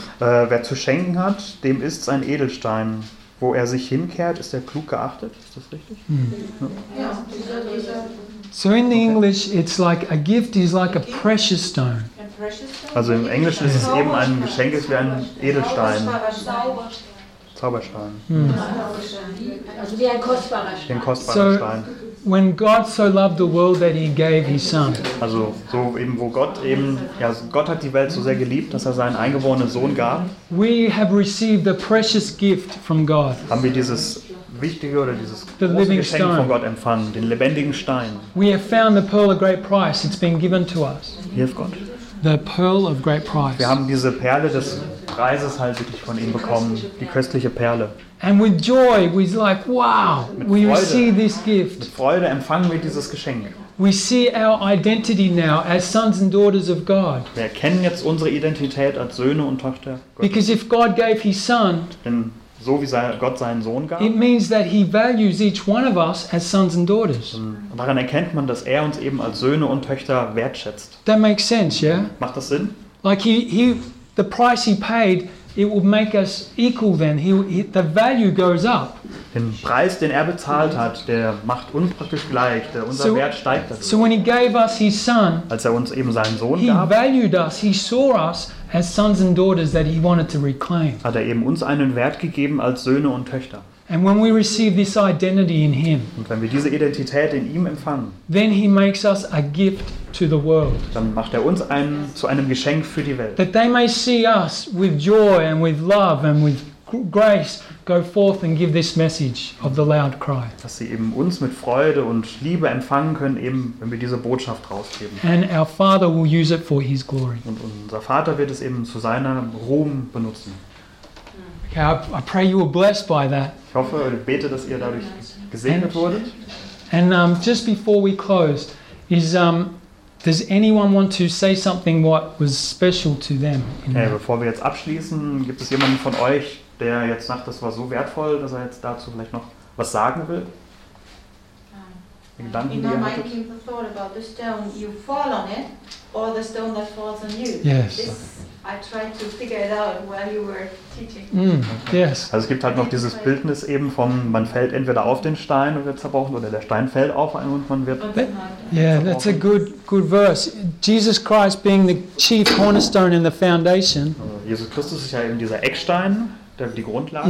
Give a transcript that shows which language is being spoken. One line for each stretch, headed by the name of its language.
German: Wer zu schenken hat, dem ist's ein Edelstein. Wo er sich hinkehrt, ist er klug geachtet. Ist das richtig? Hm. Ja.
English: So in the English, it's like a gift is like a precious stone.
German: Also im Englischen ist es eben ein Geschenk, ist wie ein Edelstein. Zauberstein. Hm. Also wie ein kostbarer Stein.
English: When God so loved the world that he gave his son.
German: Also so eben wo Gott eben ja Gott hat die Welt so sehr geliebt, dass er seinen eingeborenen Sohn gab.
English: We have received a precious gift from God.
German: Haben wir dieses wichtige oder dieses große Geschenk von Gott empfangen, den lebendigen Stein.
English: We have found the pearl of great price. It's been given to us.
German: Hilf Gott.
English: The pearl of great price.
German: Wir haben diese Perle des Preises halt wirklich von ihm bekommen, die köstliche Perle.
English: And with joy, we're like, wow, we receive this gift.
German: Mit Freude empfangen wir dieses Geschenk.
English: We see our identity now as sons and daughters of God.
German: Wir erkennen jetzt unsere Identität als Söhne und Tochter Gottes.
English: Because if God gave his son,
German: denn so wie Gott seinen Sohn gab,
English: it means that he values each one of us as sons and daughters.
German: Daran erkennt man, dass er uns eben als Söhne und Töchter wertschätzt.
English: That makes sense, yeah?
German: Macht das Sinn?
English: Like he the price he paid, it will make us equal then. The value goes up.
German: Den Preis, den er bezahlt hat, der macht uns praktisch gleich. Unser Wert steigt dadurch.
English: So when he gave us his son,
German: als er uns eben seinen Sohn
English: he
German: gab,
English: valued us, he saw us as sons and daughters that he wanted to reclaim.
German: Hat er eben uns einen Wert gegeben als Söhne und Töchter.
English: And when we receive this identity in him,
German: und wenn wir diese Identität in ihm empfangen,
English: then he makes us a gift to the world.
German: Dann macht er uns zu einem Geschenk für die Welt.
English: That they may see us with joy and with love and with grace go forth and give this message of the loud cry.
German: Dass sie eben uns mit Freude und Liebe empfangen können, eben wenn wir diese Botschaft rausgeben.
English: And our Father will use it for His glory.
German: Und unser Vater wird es eben zu seinem Ruhm benutzen.
English: Okay, I pray you were blessed by that.
German: Ich hoffe und bete, dass ihr dadurch gesegnet wurdet.
English: And just before we close, does anyone want to say something what was special to them?
German: Okay, bevor wir jetzt abschließen, gibt es jemanden von euch, der jetzt sagt, das war so wertvoll, dass er jetzt dazu vielleicht noch was sagen will? Gedanken,
English: you know, Mike came to thought about the stone you fall on it or the stone that falls on you. Yes. This, I tried to figure it out while you were teaching. Mm, okay. Yes.
German: Also es gibt halt noch dieses Bildnis eben von, man fällt entweder auf den Stein und wird zerbrochen oder der Stein fällt auf einen und man wird zerbrochen.
English: Yeah, that's a good verse. Jesus Christ being the chief cornerstone in the foundation.
German: Jesus Christus ist ja eben dieser Eckstein, die Grundlage.